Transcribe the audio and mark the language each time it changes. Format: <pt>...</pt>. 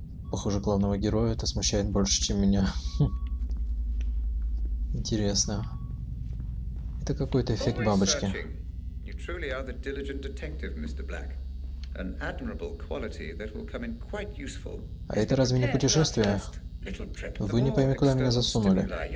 <ru>Похоже, главного героя это смущает больше, чем меня. Интересно. Это какой-то эффект бабочки.</ru> <en>You truly are the diligent detective, Mr. Black. An admirable quality that will come in quite useful.</en> <ru>А это разве не путешествие? Вы не пойми, куда меня засунули.</ru>